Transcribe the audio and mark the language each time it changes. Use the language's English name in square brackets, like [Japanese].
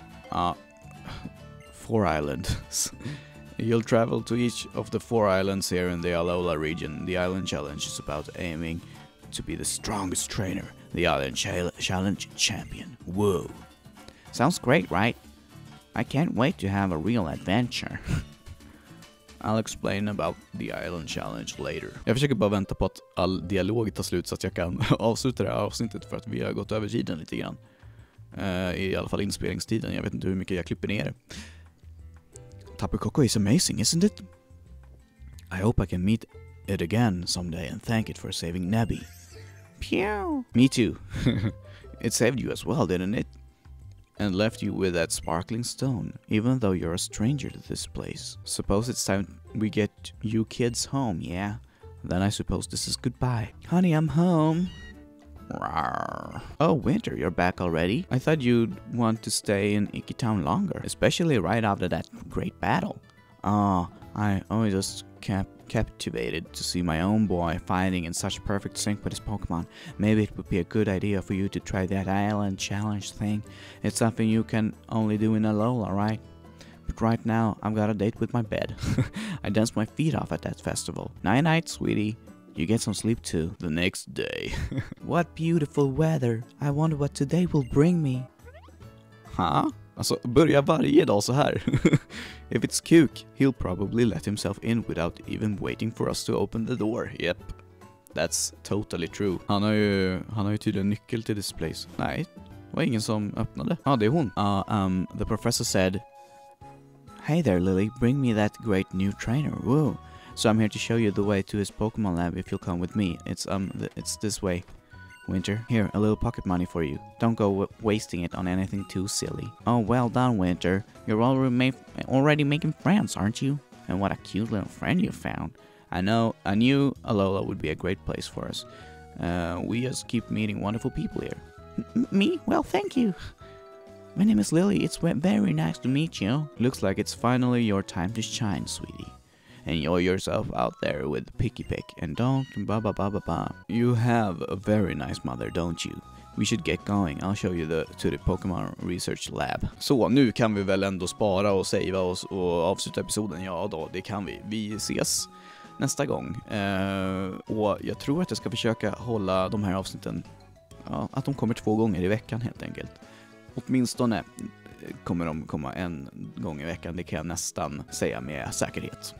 [English] 4 islands. You'll travel to each of the 4 islands here in the Alola region. The island challenge is about aiming to be the strongest trainer, the island challenge champion. Whoa. Sounds great, right? I can't wait to have a real adventure. I'll explain about the island challenge later. [Swedish] Jag försöker bara vänta på att all dialog tar slut så att jag kan avsluta det här avsnittet, för att vi har gått över tiden lite grann. I alla fall inspelningstiden. Jag vet inte hur mycket jag klipper ner. [English] Tapu Koko is amazing, isn't it? I hope I can meet it again someday and thank it for saving Nebby. Pew. Me too. It saved you as well, didn't it? And left you with that sparkling stone, even though you're a stranger to this place. Suppose it's time we get you kids home, yeah? Then I suppose this is goodbye. Honey, I'm home. Rawr. Oh, Winter, you're back already? I thought you'd want to stay in Ikitown longer, especially right after that great battle. Oh, I only just captivated to see my own boy fighting in such perfect sync with his Pokemon. Maybe it would be a good idea for you to try that island challenge thing. It's something you can only do in Alola, right? But right now, I've got a date with my bed. I danced my feet off at that festival. Night-night, sweetie. You get some sleep too. The next day. What beautiful weather. I wonder what today will bring me. Huh? [Swedish] Alltså, börja varje dag så här. [English] If it's Kuk, he'll probably let himself in without even waiting for us to open the door. Yep. That's totally true. [Swedish] Han har ju tydligen nyckel till [English] this place. [Swedish] Nej, det var ingen som öppnade. Ja, det är hon. [English] The professor said, "Hey there, Lily. Bring me that great new trainer. Woo. So I'm here to show you the way to his Pokemon lab if you'll come with me. It's this way. Winter, here, a little pocket money for you. Don't go wasting it on anything too silly." Oh, well done, Winter. You're already making friends, aren't you? And what a cute little friend you found. I knew Alola would be a great place for us. We just keep meeting wonderful people here. Me? Well, thank you. My name is Lily. It's very nice to meet you. Looks like it's finally your time to shine, sweetie. Enjoy yourself out there with Picky Pick and don't ba ba ba ba ba. You have a very nice mother, don't you? We should get going. I'll show you to the Pokemon Research Lab. [Swedish] Så, nu kan vi väl ändå spara och savea oss och avsluta episoden. Ja då, det kan vi. Vi ses nästa gång. Och jag tror att jag ska försöka hålla de här avsnitten, ja, att de kommer två gånger i veckan helt enkelt. Åtminstone kommer de komma en gång i veckan, det kan jag nästan säga med säkerhet.